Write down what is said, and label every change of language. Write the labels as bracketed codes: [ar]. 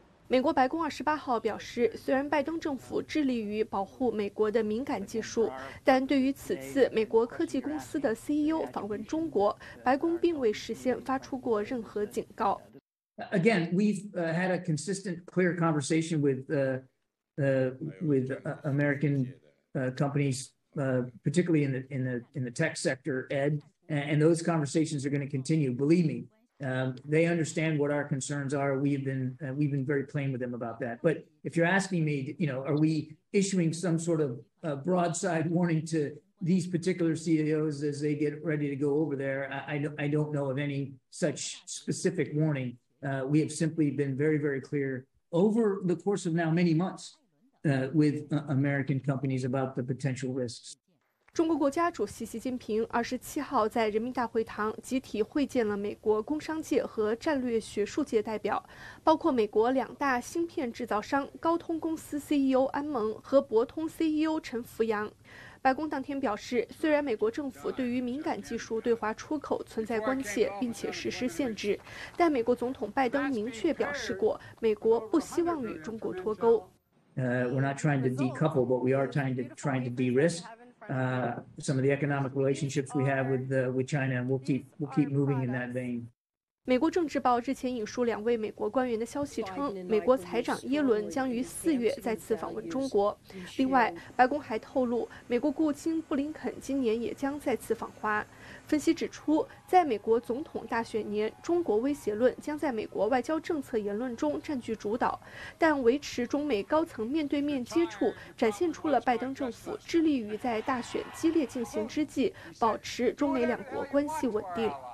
[zh] 美国白宫28号表示，虽然拜登政府致力于保护美国的敏感技术，但对于此次美国科技公司的 CEO 访问中国，白宫并未事先发出过任何警告。 [en] Again, we've had a consistent, clear conversation with American companies, particularly in the tech sector, Ed, and those conversations are going to continue. Believe me. They understand what our concerns are. We've been very plain with them about that. But if you're asking me, you know, are we issuing some sort of broadside warning to these particular CEOs as they get ready to go over there? I don't know of any such specific warning. We have simply been very, very clear over the course of now many months with American companies about the potential risks. [zh] 中国国家主席习近平27号在人民大会堂集体会见了美国工商界和战略学术界代表，包括美国两大芯片制造商高通公司 CEO 安蒙和博通 CEO 陈福阳。白宫当天表示，虽然美国政府对于敏感技术对华出口存在关切并且实施限制，但美国总统拜登明确表示过，美国不希望与中国脱钩。 [en] We're not trying to decouple, but we are trying to de-risk. Some of the economic relationships we have with China, and we'll keep moving in that vein. [zh] 美国政治报日前引述两位美国官员的消息称，美国财长耶伦将于4月再次访问中国。另外，白宫还透露，美国国务卿布林肯今年也将再次访华。分析指出，在美国总统大选年，中国威胁论将在美国外交政策言论中占据主导，但维持中美高层面对面接触，展现出了拜登政府致力于在大选激烈进行之际，保持中美两国关系稳定。